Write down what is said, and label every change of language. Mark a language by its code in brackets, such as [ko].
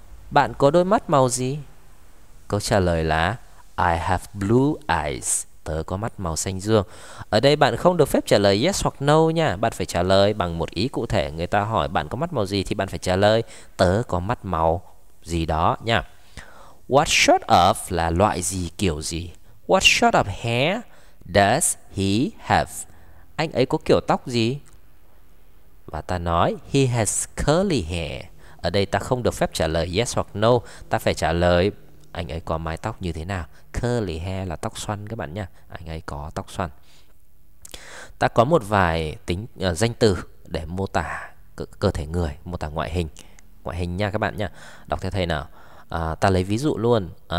[vi] Bạn có đôi mắt màu gì? Câu trả lời là [en] I have blue eyes. [vi] Tớ có mắt màu xanh dương. Ở đây bạn không được phép trả lời yes hoặc no nha. Bạn phải trả lời bằng một ý cụ thể. Người ta hỏi bạn có mắt màu gì thì bạn phải trả lời tớ có mắt màu gì đó nha. [en] What sort of [vi] là loại gì, kiểu gì? [en] What sort of hair does he have? [vi] Anh ấy có kiểu tóc gì? Và ta nói [en] he has curly hair. [vi] Ở đây ta không được phép trả lời yes hoặc no. Ta phải trả lời anh ấy có mái tóc như thế nào. Curly hair là tóc xoăn các bạn nha. Anh ấy có tóc xoăn. Ta có một vài tính danh từ để mô tả cơ thể người, mô tả ngoại hình. Ngoại hình nha các bạn nha. Đọc theo thầy nào. Ta lấy ví dụ luôn.